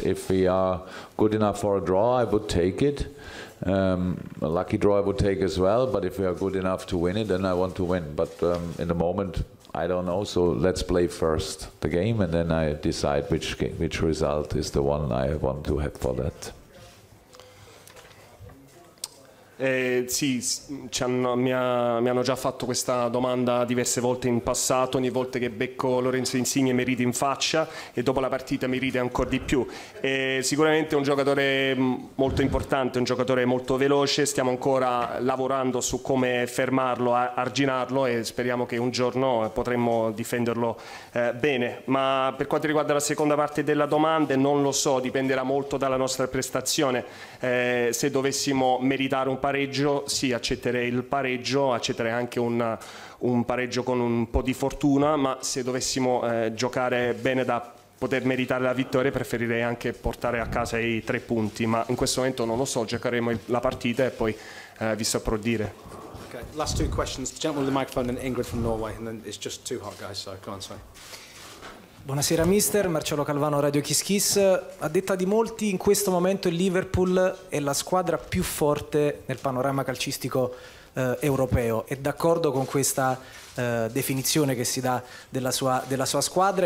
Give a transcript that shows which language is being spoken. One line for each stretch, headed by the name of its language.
English: If we are good enough for a draw, I would take it. A lucky draw I would take as well, but if we are good enough to win it, then I want to win. But in the moment, I don't know, so let's play first the game and then I decide which game, which result is the one I want to have for that.
Italian: Sì, mi hanno già fatto questa domanda diverse volte in passato, ogni volta che becco Lorenzo Insigne mi ride in faccia e dopo la partita mi ride ancora di più. Sicuramente è un giocatore molto importante, un giocatore molto veloce, stiamo ancora lavorando su come fermarlo, arginarlo e speriamo che un giorno potremmo difenderlo bene. Ma per quanto riguarda la seconda parte della domanda, non lo so, dipenderà molto dalla nostra prestazione. Se dovessimo meritare un pareggio, sì, accetterei il pareggio, accetterei anche un pareggio con un po' di fortuna, ma se dovessimo giocare bene da poter meritare la vittoria, preferirei anche portare a casa i tre punti, ma in questo momento non lo so, giocheremo la partita e poi vi saprò dire.
English: Okay, last two questions, the gentleman with the microphone and Ingrid from Norway, and then it's just too hot guys, so come on, sorry.
Italian: Buonasera mister, Marcello Calvano, Radio Kiss Kiss. A detta di molti, in questo momento il Liverpool è la squadra più forte nel panorama calcistico europeo. È d'accordo con questa definizione che si dà della sua squadra?